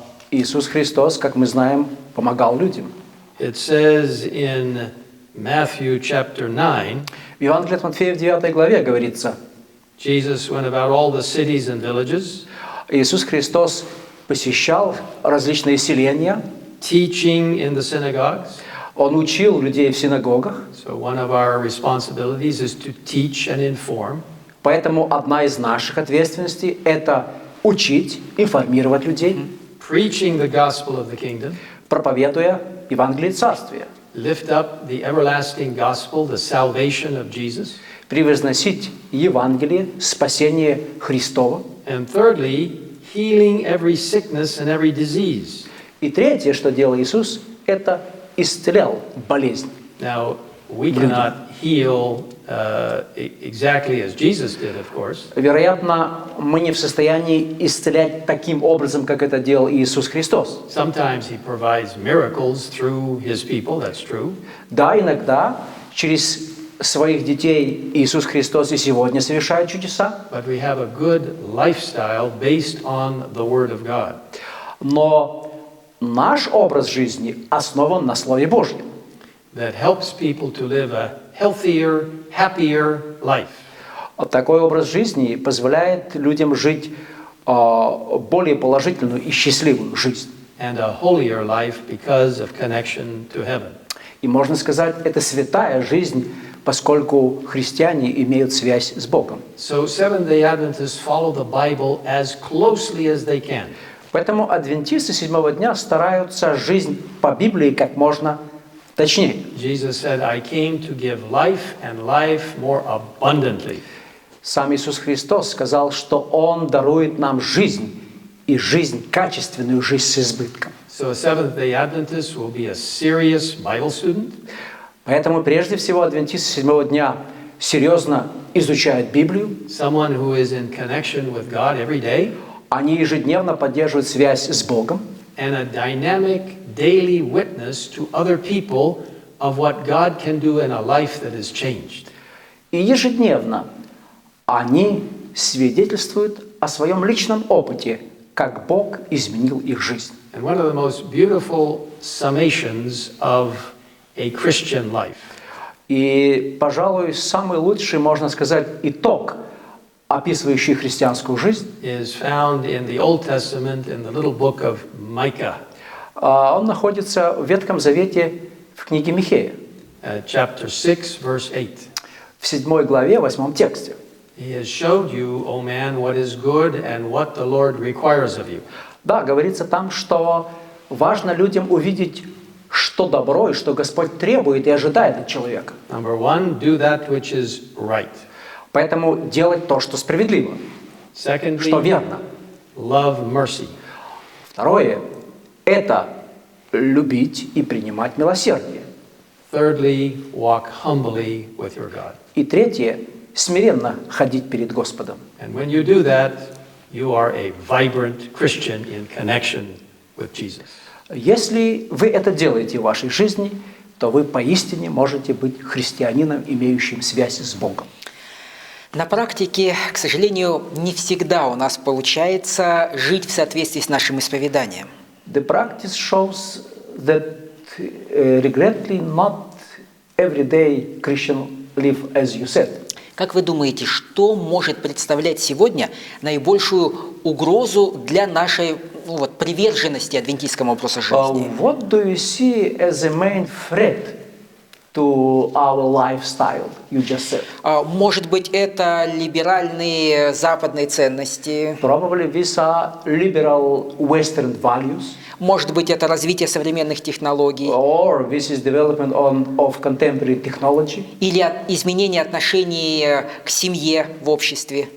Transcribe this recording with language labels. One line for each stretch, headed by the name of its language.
Russian: Иисус Христос, как мы знаем, помогал людям.
English: It says in Matthew chapter 9,
Russian: в Евангелии от Матфея в 9 главе говорится,
English: Jesus went about all the cities and villages.
Russian: Иисус Христос посещал различные селения.
English: Teaching in the synagogues.
Russian: Он учил людей в синагогах.
English: So one of our responsibilities is to teach and inform.
Russian: Поэтому одна из наших ответственностей – это учить, информировать людей.
English: Preaching the gospel of the kingdom.
Russian: Проповедуя Евангелие Царствия.
English: Lift up the everlasting gospel, the salvation of Jesus.
Russian: Превозносить Евангелие, спасение Христово.
English: And thirdly, healing every sickness and every disease.
Russian: И третье, что делал Иисус, это исцелял болезни.
English: Now, we cannot heal exactly as Jesus did, of course.
Russian: Вероятно, мы не в состоянии исцелять таким образом, как это делал Иисус Христос.
English: Sometimes he provides miracles through his people, that's true.
Russian: Да, иногда через своих детей Иисус Христос и сегодня совершает чудеса.
English: But we have a good lifestyle based on the Word of God.
Russian: Но наш образ жизни основан на Слове Божьем.
English: That helps people to live a healthier, happier life.
Russian: Такой образ жизни позволяет людям жить более положительную и счастливую жизнь.
English: And a holier life because of connection to heaven.
Russian: И можно сказать, это святая жизнь, поскольку христиане имеют связь с Богом.
English: So Seventh-day Adventists follow the Bible as closely as they can.
Russian: Поэтому адвентисты седьмого дня стараются жизнь по Библии как можно точнее.
English: Jesus said, I came to give life and life more abundantly.
Russian: Сам Иисус Христос сказал, что Он дарует нам жизнь, и жизнь, качественную жизнь с избытком.
English: So a Seventh-day Adventist will be a serious Bible student.
Russian: Поэтому прежде всего адвентисты седьмого дня серьезно изучают Библию.
English: Someone who is in connection with God every day.
Russian: Они ежедневно поддерживают связь с Богом.
English: And a dynamic daily witness to other people of what God can do in a life that is changed.
Russian: И ежедневно они свидетельствуют о своем личном опыте, как Бог изменил их жизнь.
English: And one of the most beautiful summations of a Christian life.
Russian: И, пожалуй, самый лучший, можно сказать, итог, описывающий христианскую жизнь,
English: is found in the Old Testament in the little book of Micah.
Russian: Он находится в Ветхом Завете в книге Михея.
English: Chapter 6, verse 8.
Russian: В 7 главе, 8 тексте.
English: He has showed you, O man, what is good and what the Lord requires of you.
Russian: Да, говорится там, что важно людям увидеть, что добро и что Господь требует и ожидает от человека.
English: Number one, do that which is right.
Russian: Поэтому делать то, что справедливо,
English: secondly,
Russian: что верно.
English: Love mercy.
Russian: Второе – это любить и принимать милосердие.
English: Thirdly, walk humbly with your God.
Russian: И третье, смиренно ходить перед Господом.
English: And when you do that, you are a vibrant Christian in connection with Jesus.
Russian: Если вы это делаете в вашей жизни, то вы поистине можете быть христианином, имеющим связь с Богом. На практике, к сожалению, не всегда у нас получается жить в соответствии с нашим исповеданием.
English: The practice shows that regretfully not every day Christian live as you said.
Russian: Как вы думаете, что может представлять сегодня наибольшую угрозу для нашей приверженности адвентийскому образу жизни?
English: What do you see as a main threat to our lifestyle you just said?
Russian: Может быть, это либеральные западные ценности?
English: Probably these are liberal Western values.
Russian: Может быть, это развитие современных технологий?
English: Or this is development of contemporary technology.
Russian: Или изменение отношений к семье в обществе?